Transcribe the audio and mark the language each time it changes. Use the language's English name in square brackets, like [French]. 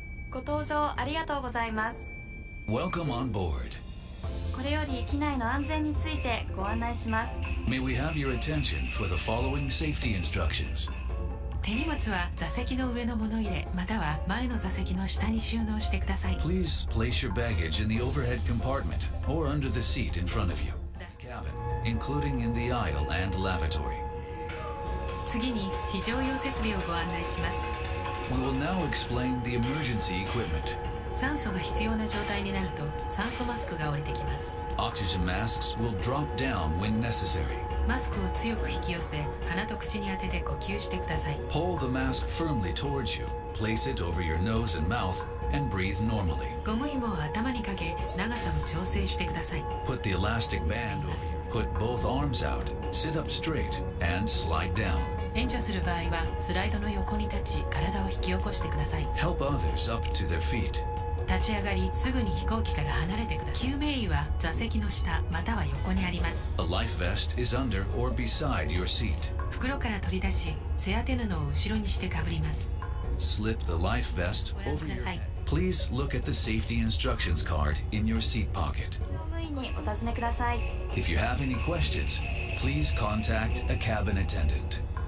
[Japanese] ご搭乗ありがとうございます。 [English] Welcome on board. [Japanese] これより機内の安全についてご案内します。 [English] May we have your attention for the following safety instructions. [Japanese] 手荷物は座席の上の物入れまたは前の座席の下に収納してください。 [English] Please place your baggage in the overhead compartment or under the seat in front of you. Cabin, including in the aisle and lavatory. [Japanese] 次に非常用設備をご案内します。 [English] We will now explain the emergency equipment. [Japanese] 酸素が必要な状態になると酸素マスクが降りてきます。 [English] Oxygen masks will drop down when necessary. [Japanese] マスクを強く引き寄せ、鼻と口に当てて呼吸してください。 [English] Pull the mask firmly towards you. Place it over your nose and mouth and breathe normally. [Japanese] ゴム紐を頭にかけ、長さを調整してください。 [English] Put the elastic band over. Put both arms out. Sit up straight and slide down. [Japanese] 援助する場合は、スライドの横に立ち、体を引き起こしてください。 [English] Help others up to their feet. [Japanese] 立ち上がり、すぐに飛行機から離れてください。救命衣は座席の下または横にあります。 [English] A life vest is under or beside your seat. [Japanese] 袋から取り出し、背当て布を後ろにしてかぶります。 [English] Slip the life vest over your head. Please look at the safety instructions card in your seat pocket. [Japanese] 乗務員にお尋ねください。 [English] If you have any questions, please contact a cabin attendant.